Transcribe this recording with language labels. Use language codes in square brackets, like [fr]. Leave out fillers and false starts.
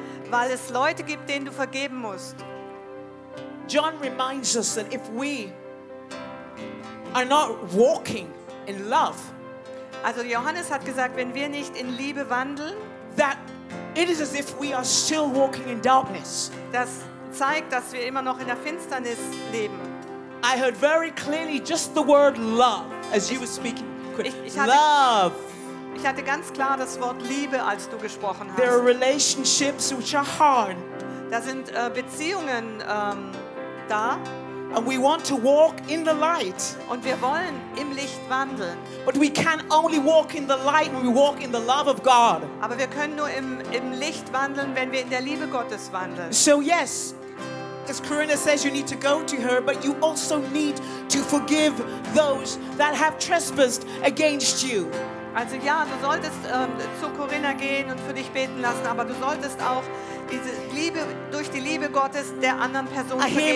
[de] Weil es Leute gibt, denen du vergeben musst. [en] John reminds us that if we are not walking in love. [de] Also Johannes hat gesagt, wenn wir nicht in Liebe wandeln, [en] that it is as if we are still walking in darkness. [de] Das zeigt, dass wir immer noch in der Finsternis leben. [en] I heard very clearly just the word love as you were speaking. Love. [de] Ich hatte ganz klar das Wort Liebe, als du gesprochen hast. [en] There are relationships which are hard. [de] Da sind Beziehungen da. [en] And we want to walk in the light. [de] Und wir wollen im Licht wandeln. [en] But we can only walk in the light when we walk in the love of God. [de] Aber wir können nur im Licht wandeln, wenn wir in der Liebe Gottes wandeln. [en] So yes, as Corinna says, you need to go to her, but you also need to forgive those that have trespassed against you. [de] Also ja, du solltest zu Corinna gehen und für dich beten lassen, aber du solltest auch diese Liebe durch die Liebe Gottes der anderen Person vergeben.